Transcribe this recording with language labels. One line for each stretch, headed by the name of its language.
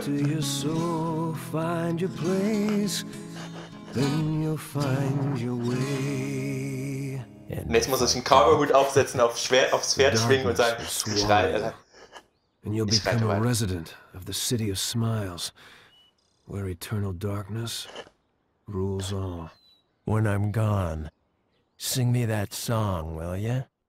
English: To your soul, find your place, then you'll find your way.
German: Und jetzt muss er sich einen Cowboy-Hut aufsetzen, aufs Pferd schwingen und sagen,
English: you'll become a resident of the City of Smiles, where eternal darkness rules all. When I'm gone, sing me that song, will ya?